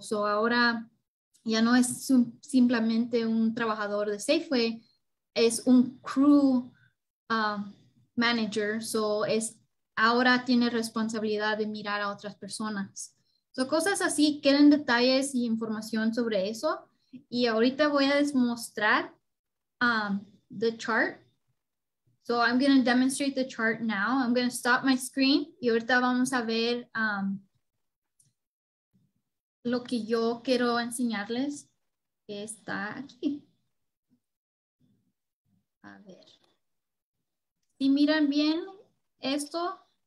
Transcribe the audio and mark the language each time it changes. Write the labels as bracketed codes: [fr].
[es] So ahora ya no es simplemente un trabajador de Safeway, es un crew manager. So es ahora tiene responsabilidad de mirar a otras personas. So, cosas así, quieren detalles y información sobre eso. Y ahorita voy a demostrar [en] the chart. So I'm going to demonstrate the chart now. I'm going to stop my screen. [es] Y ahorita vamos a ver lo que yo quiero enseñarles. Que está aquí. A ver. Si miran bien esto.